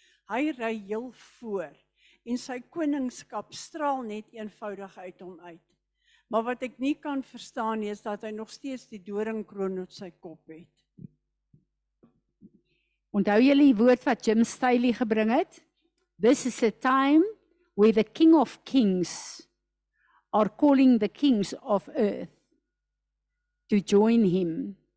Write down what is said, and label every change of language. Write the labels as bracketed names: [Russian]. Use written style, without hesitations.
[Afrikaans] Hy ry heel voor en sy koningskap straal net eenvoudig uit hom uit. Maar wat ek nie kan verstaan nie, is dat hy nog steeds die doringkroon op sy kop het. Onthou julle die woord wat Jim Staley gebring het? [English] This is a time where the King of Kings are calling the kings of earth to join him.